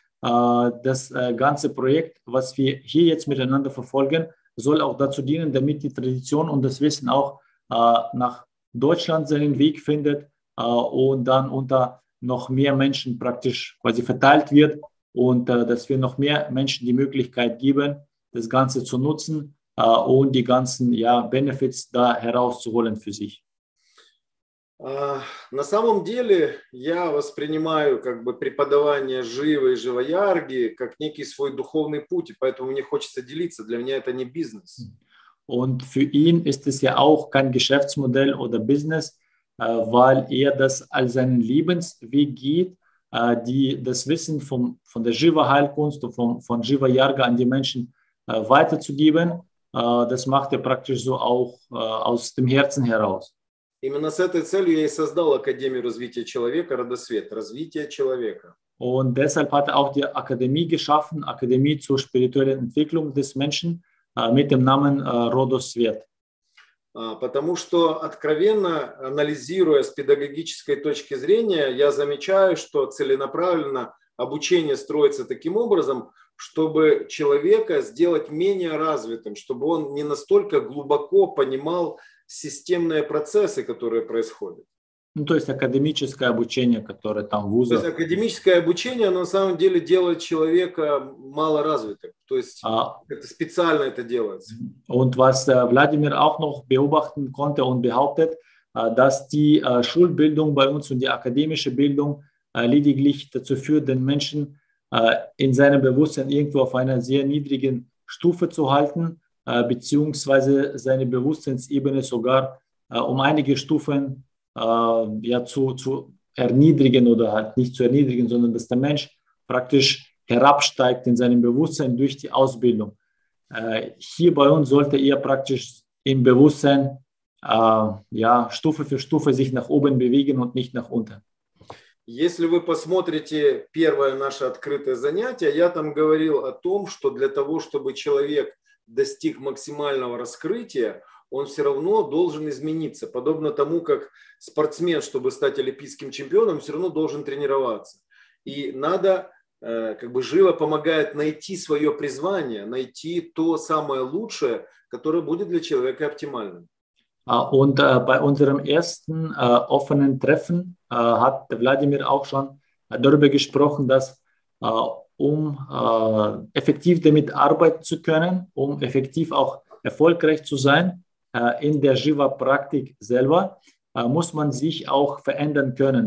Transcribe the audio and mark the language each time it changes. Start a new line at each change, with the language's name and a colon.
German: Das ganze Projekt, was wir hier jetzt miteinander verfolgen, soll auch dazu dienen, damit die Tradition und das Wissen auch nach Deutschland seinen Weg findet und dann unter noch mehr Menschen praktisch quasi verteilt wird und dass wir noch mehr Menschen die Möglichkeit geben, das Ganze zu nutzen und die ganzen ja, Benefits da herauszuholen für sich.
Russian: На самом деле я воспринимаю как бы преподавание живой и живоярги как некий свой духовный путь, и поэтому мне хочется делиться. Для меня это не бизнес.
German: Und für ihn ist es ja auch kein Geschäftsmodell oder Business, weil das als seinen Lebensweg geht, das Wissen von der Jiva-Heilkunst und von Jiva-Yarga an die Menschen weiterzugeben. Das macht praktisch so auch aus dem Herzen heraus.
Russian: Именно с этой целью я и создал Академию развития человека, Радосвет, развития человека.
German: Und deshalb hat er auch die Akademie geschaffen, Akademie zur spirituellen Entwicklung des Menschen mit dem Namen Radosvet.
Russian: Потому что откровенно анализируя с педагогической точки зрения, я замечаю, что целенаправленно обучение строится таким образом, чтобы человека сделать менее развитым, чтобы он не настолько глубоко понимал системные процессы, которые происходят. Ну, то есть академическое обучение, которое там в вузах. То есть академическое обучение, оно на самом деле делает человека малоразвитым. То есть это специально это делается.
German: Und was Wladimir auch noch beobachten konnte und behauptet, dass die Schulbildung bei uns und die akademische Bildung lediglich dazu führt, den Menschen in seinem Bewusstsein irgendwo auf einer sehr niedrigen Stufe zu halten, beziehungsweise seine Bewusstseinsebene sogar um einige Stufen ja, zu erniedrigen oder halt nicht zu erniedrigen, sondern dass der Mensch praktisch herabsteigt in seinem Bewusstsein durch die Ausbildung. Hier bei uns sollte er praktisch im Bewusstsein ja, Stufe für Stufe sich nach oben bewegen und nicht nach unten.
Russian: Если вы посмотрите первое наше открытое занятие, я там говорил о том, что для того, чтобы человек достиг максимального раскрытия, он все равно должен измениться. Подобно тому, как спортсмен, чтобы стать олимпийским чемпионом, все равно должен тренироваться. И надо, как бы живо помогает найти свое призвание, найти то самое лучшее, которое будет для человека оптимальным.
German: Und bei unserem ersten offenen Treffen hat Wladimir auch schon darüber gesprochen, dass um effektiv damit arbeiten zu können, um effektiv auch erfolgreich zu sein in der Jiva-Praktik selber, muss man sich auch verändern können.